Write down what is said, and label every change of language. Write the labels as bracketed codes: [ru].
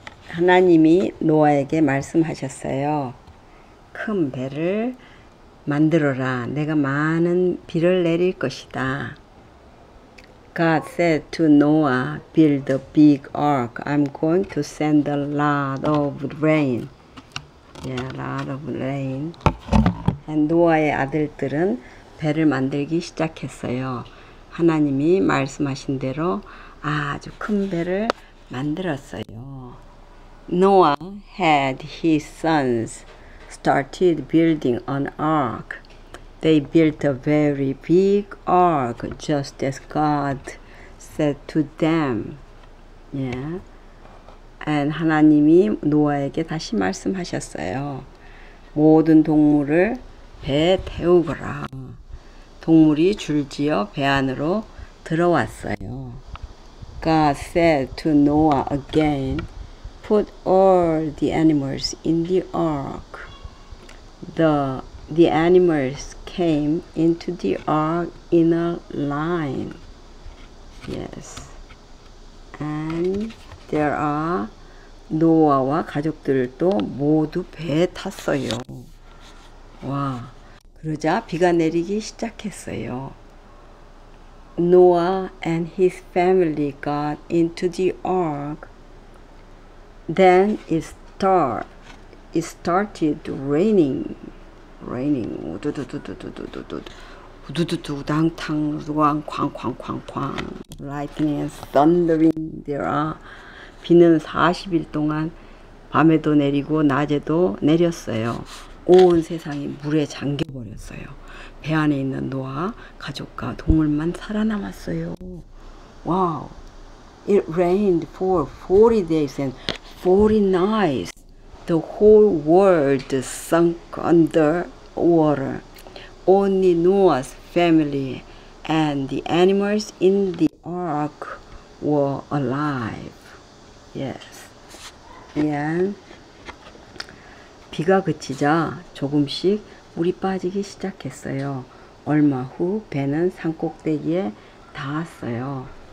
[ko] 하나님이 노아에게 말씀하셨어요. 큰 배를 만들어라. 내가 많은 비를 내릴 것이다. [en] God said to Noah, build a big ark. I'm going to send a lot of rain. Yeah, a lot of rain. And Noah의 [ko] 아들들은 배를 만들기 시작했어요. 하나님이 말씀하신 대로 아주 큰 배를 만들었어요. [en] Noah had his sons started building an ark. They built a very big ark, just as God said to them. Yeah. And [ko] 하나님이 노아에게 다시 말씀하셨어요. 모든 동물을 배에 태우거라. 동물이 줄지어 배 안으로 들어왔어요. [en] God said to Noah again, put all the animals in the ark. The animals came into the ark in a line. Yes. And there are [ko] Noah와 가족들도 모두 배에 탔어요. 와. 그러자 비가 내리기 시작했어요. [en] Noah and his family got into the ark. Then it started raining. Raining. [ko] 우두두두두두두두두. 우두두두 당탕 우두광 쾅쾅쾅쾅. [en] Lightning and thundering. There are [ko] 비는 40일 동안 밤에도 내리고 낮에도 내렸어요. 온 세상이 물에 잠겨버렸어요. 배 안에 있는 노아, 가족과 동물만 살아남았어요. [en] 와우! It rained for 40 days and 40 nights. The whole world sunk under water. Only Noah's family and the animals in the ark were alive. Yes. And [ko] 비가 그치자 조금씩 물이 빠지기 시작했어요. 얼마 후 배는 산 꼭대기에 닿았어요.